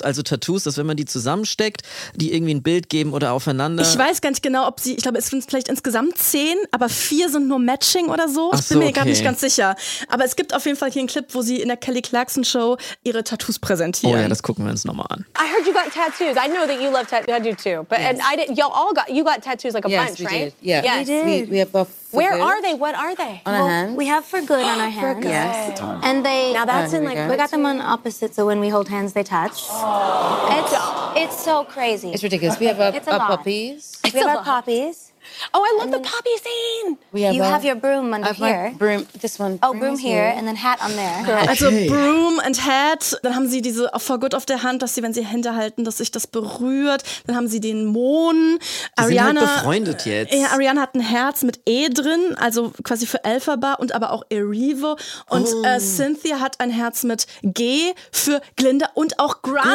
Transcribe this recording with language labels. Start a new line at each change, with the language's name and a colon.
German: Also Tattoos, dass wenn man die zusammensteckt, die irgendwie ein Bild geben oder aufeinander. Ich weiß gar nicht genau, ob sie, ich glaube, es sind vielleicht insgesamt 10, aber 4 sind nur Matching oder so. Ach ich bin so, mir okay. gar nicht ganz sicher. Aber es gibt auf jeden Fall hier einen Clip, wo sie in der Kelly Clarkson Show ihre Tattoos präsentieren. Oh ja, das gucken wir uns nochmal an.
English: I heard you got tattoos. I know that you love tattoos. I do too. But yes. And I didn't, y'all all got, you got tattoos like a yes, bunch, we right? Did. Yeah. Yes, we did. We have both. Where good. Are they? What are they? On our hands. We have for good on our hands. For good. Yes. And they. Now that's in like. We got them on opposite, so when we hold hands, they touch. Oh. It's so crazy. It's ridiculous. We have our puppies. We have our poppies. Oh, I love the poppy scene. We have you a, have your broom under here. Broom, this one. Oh, broom here and then hat on there. Okay. Also broom and hat.
German: Dann haben sie diese for good auf der Hand, dass sie, wenn sie Hände halten, dass sich das berührt. Dann haben sie den Mohn. Die Ariana, sind halt befreundet jetzt. Ja, Ariana hat ein Herz mit E drin, also quasi für Elphaba und aber auch Erivo. Und Cynthia hat ein Herz mit G für Glinda und auch Grande.